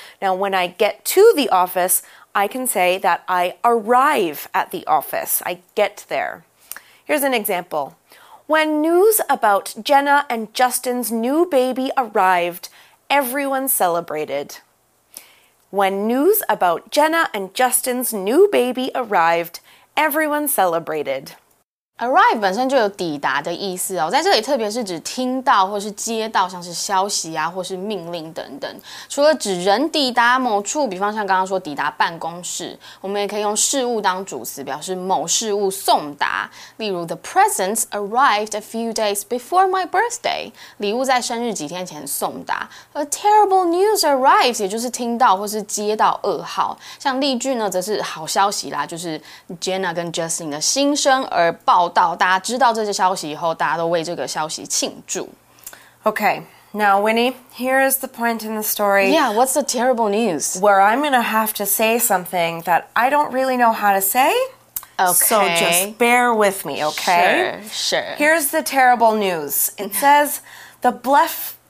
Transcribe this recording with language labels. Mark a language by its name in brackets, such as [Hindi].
[English] Now, when I get to the office, I can say that I arrive at the office. I get there. Here's an example. When news about Jenna and Justin's new baby arrived,Everyone celebrated. When news about Jenna and Justin's new baby arrived, everyone celebrated. [Chinese] Arrive 本身就有抵达的意思哦，在这里特别是指听到或是接到像是消息啊或是命令等等。除了指人抵达某处，比方像刚刚说抵达办公室，我们也可以用事物当主词，表示某事物送达。例如 [English] ，The presents arrived a few days before my birthday. [Chinese] 礼物在生日几天前送达。 [English] A terrible news arrives， [Chinese] 也就是听到或是接到噩耗。像例句呢，则是好消息啦，就是 Jenna 跟 Justin 的新生儿报。报道，大家知道这些消息以后，大家都为这个消息庆祝。 [English] Okay, now Winnie, here is the point in the story. Yeah, what's the terrible news? Where I'm gonna have to say something that I don't really know how to say. Okay. So just bear with me, okay? Sure, sure. Here's the terrible news. It says, the blef...